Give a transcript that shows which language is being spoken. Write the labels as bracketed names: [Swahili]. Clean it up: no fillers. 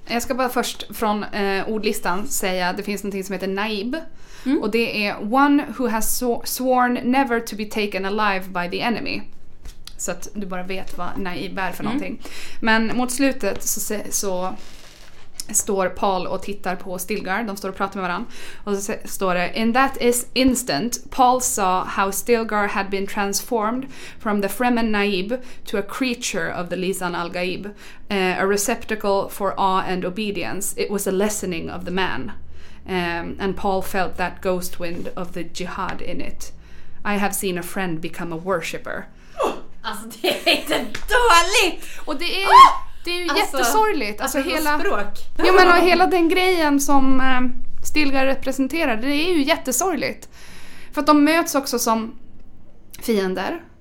[Swedish] Jag ska bara först från ordlistan säga att det finns någonting som heter naib. Mm. Och det är [English] one who has sworn never to be taken alive by the enemy. [Swedish] Så att du bara vet vad naib är för någonting. Men mot slutet så står Paul och tittar på Stilgar. De står och pratar med varandra. Och så står det: [English] in that instant Paul saw how Stilgar had been transformed from the Fremen naib to a creature of the Lisan al-Gaib, a receptacle for awe and obedience. It was a lessening of the man. And Paul felt that ghost wind of the jihad in it. I have seen a friend become a worshipper. [Swedish] Alltså det är inte dåligt. Och det är ju alltså, jättesorgligt. Alltså hela språk. Ja, men och hela den grejen som Stilgar representerar, det är ju jättesorgligt. För att de möts också som fiender.